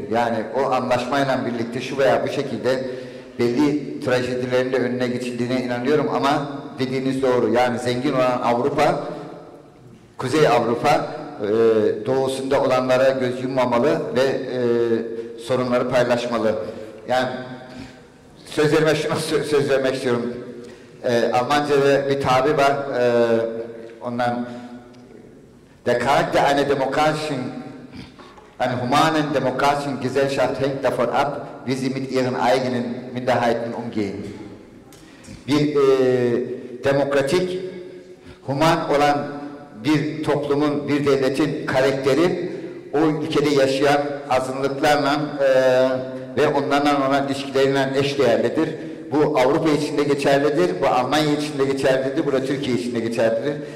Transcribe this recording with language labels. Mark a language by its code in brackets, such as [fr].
[tr] Yani o anlaşmayla birlikte şu veya bu şekilde belli trajedilerin de önüne geçildiğine inanıyorum. Ama dediğiniz doğru, yani zengin olan Avrupa, Kuzey Avrupa, doğusunda olanlara göz yummamalı ve sorunları paylaşmalı. Yani sözlerime şuna söz vermek istiyorum. Almanca'da bir tabi var, ondan [de] der Charakter einer demokratischen, einer humanen demokratischen Gesellschaft hängt davon ab, wie sie mit ihren eigenen Minderheiten umgehen. [tr] Bir demokratik, human olan bir toplumun, bir devletin karakteri o ülkede yaşayan azınlıklarla ve onlarla olan ilişkilerle eşdeğerlidir. Bu Avrupa için de geçerlidir, bu Almanya için de geçerlidir, bu da Türkiye için de geçerlidir.